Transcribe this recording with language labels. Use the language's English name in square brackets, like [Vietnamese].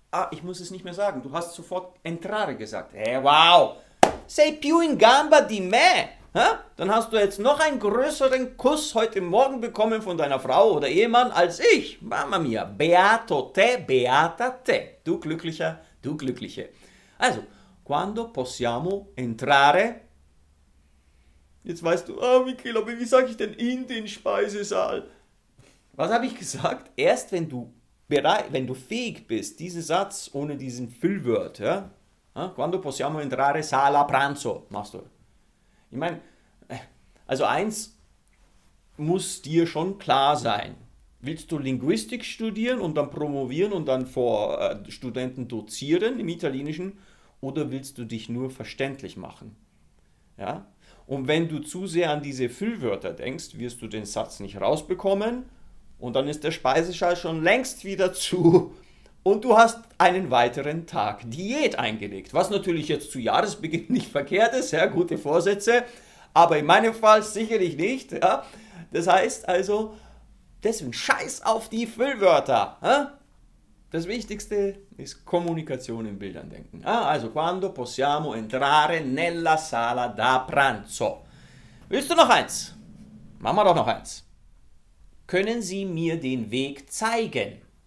[German] ich muss es nicht mehr sagen. Du hast sofort entrare gesagt. Hey, wow. [Italian] Sei più in gamba di me. [German] Ha? Dann hast du jetzt noch einen größeren Kuss heute Morgen bekommen von deiner Frau oder Ehemann als ich. [Italian] Mamma mia. Beato te, beata te. [German] Du Glücklicher, du Glückliche. [Italian] Also, quando possiamo entrare? [German] Jetzt weißt du, Michele, aber wie sage ich denn in den Speisesaal? Was habe ich gesagt? Erst wenn du bereit, wenn du fähig bist, diesen Satz ohne diesen Füllwort, ja? [Italian] Quando possiamo entrare sala pranzo, [German] machst du. Ich meine, also eins muss dir schon klar sein. Willst du Linguistik studieren und dann promovieren und dann vor Studenten dozieren im Italienischen oder willst du dich nur verständlich machen? Ja? Und wenn du zu sehr an diese Füllwörter denkst, wirst du den Satz nicht rausbekommen und dann ist der Speisesaal schon längst wieder zu und du hast einen weiteren Tag Diät eingelegt, was natürlich jetzt zu Jahresbeginn nicht verkehrt ist, ja, gute Vorsätze, aber in meinem Fall sicherlich nicht. Ja. Das heißt also, deswegen scheiß auf die Füllwörter. Ja. Das Wichtigste ist Kommunikation in Bildern denken. [Italian] Also, quando possiamo entrare nella sala da pranzo. [German] Willst du noch eins? Machen wir doch noch eins. Können Sie mir den Weg zeigen?